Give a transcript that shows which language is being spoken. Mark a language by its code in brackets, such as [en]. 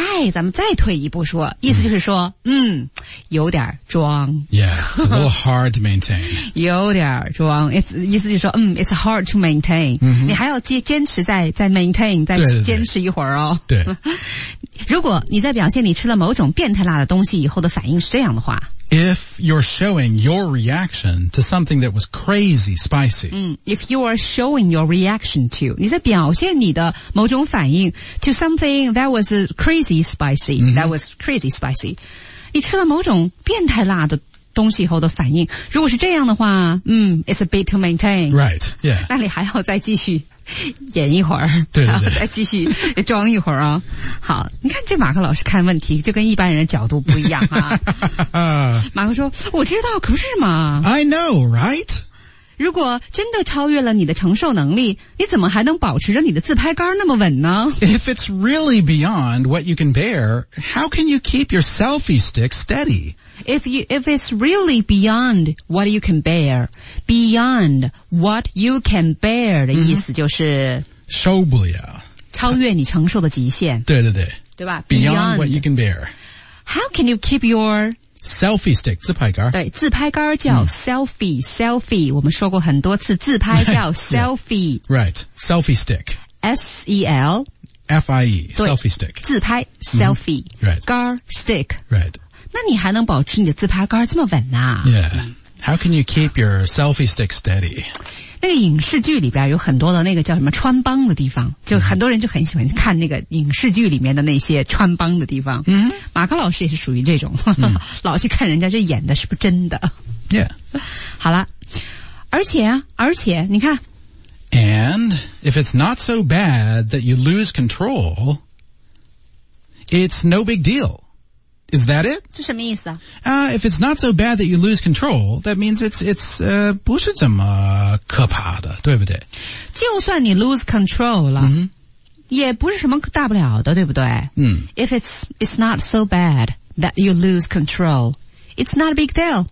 [zh] 咱们再退一步说，意思就是说，有点装。 [en] Yeah, it's a little hard to maintain. [zh] 有点装。意思就是说， [en] it's hard to maintain.、嗯、 [zh] 你还要坚持再 maintain, 再坚持一会儿哦。对, 对, 对。如果你在表现你吃了某种变态辣的东西以后的反应是这样的话， [en] If you're showing your reaction to something that was crazy spicy. If you are showing your reaction to, [zh] 你在表现你的某种反应 [en] to something that was crazy spicy,、 mm-hmm. that was crazy spicy. [zh] 你吃了某种变态辣的东西以后的反应。如果是这样的话 [en] it's a bit to maintain. Right, yeah. [zh] 那你还要再继续演一会儿对对对然后再继续装一会儿啊、哦。好你看这马克老师看问题就跟一般人的角度不一样啊。马克说我知道可不是嘛。 [en] I know, right? [zh] 如果真的超越了你的承受能力你怎么还能保持着你的自拍杆那么稳呢 [en] If it's really beyond what you can bear, how can you keep your selfie stick steady? If it's really beyond what you can bear, beyond what you can bear [zh] 的意思就是受不了，超越你承受的极限。对对对，对吧 [en] ？Beyond what you can bear. How can you keep your selfie stick [zh] 自拍杆？对，自拍杆叫 selfie、selfie。我们说过很多次，自拍叫 selfie。 [en] Yeah. Right, selfie stick. S E L. F-I-E, selfie stick. [zh] 自拍 selfie.、 [en] Mm-hmm. Right. [zh] 杆 stick. [en] Right. [zh] 那你还能保持你的自拍杆这么稳呢、啊、 [en] Yeah. How can you keep your selfie stick steady? [zh] 那个影视剧里边有很多的那个叫什么穿帮的地方就很多人就很喜欢看那个影视剧里面的那些穿帮的地方。嗯、mm-hmm. 马克老师也是属于这种、 mm-hmm. 老去看人家这演的是不是真的。 [en] Yeah. [zh] 好了。而且你看 [en] And if it's not so bad that you lose control, it's no big deal. Is that it? [zh] 这什么意思啊 [en] If it's not so bad that you lose control, that means it's [zh] 不是这么可怕的，对不对？就算你 [en] lose control [zh] 了、 mm-hmm. 也不是什么大不了的，对不对？ Mm. [en] If it's not so bad that you lose control,It's not a big deal.